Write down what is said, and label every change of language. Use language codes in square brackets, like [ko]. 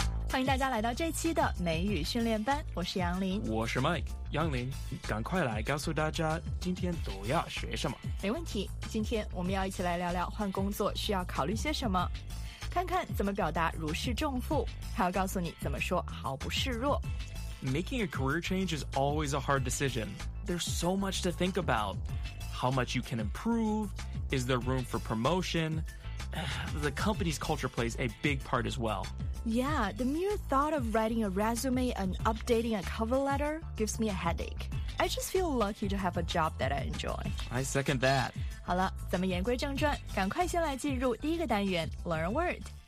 [zh] 欢迎大家来到这期的美语训练班，我是杨林，我是 Mike。杨林，赶快来告诉大家今天都要学什么。没问题，今天我们要一起来聊聊换工作需要考虑些什么，看看怎么表达如释重负，还要告诉你怎么说毫不示弱。 [en] Making a career change is always a hard decision. There's so much to think about. How much you can improve? Is there room for promotion? The company's culture plays a big part as well. Yeah, the mere thought of writing a resume and updating a cover letter gives me a headache. I just feel lucky to have a job that I enjoy. I second that. [zh] 好了，咱们言归正传，赶快先来进入第一个单元 [en] Learn a word.